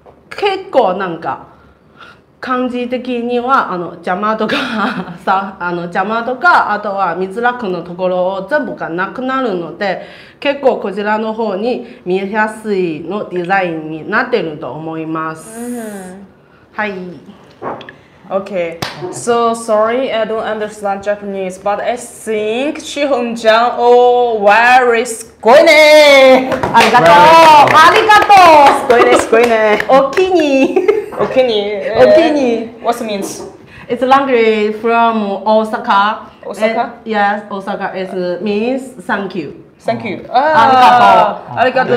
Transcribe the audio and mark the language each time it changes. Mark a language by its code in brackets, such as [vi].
[ja] 結構なんか感じ的にはあの邪魔とかさ、あの邪魔とか、あとは見づらくのところを全部がなくなるので、結構こちらの方に見えやすいのデザインになってると思います、はい。 [en] Okay, so sorry I don't understand Japanese, but I think Shihon-chan oh, very [ja] すごいね、ありがとう、ありがとう、すごいね、すごいね、おきにおきに、おきに、 [en] What's it means? It's language from Osaka. Osaka? Yes, Osaka is means thank you. Thank you. [ja] ありがとう。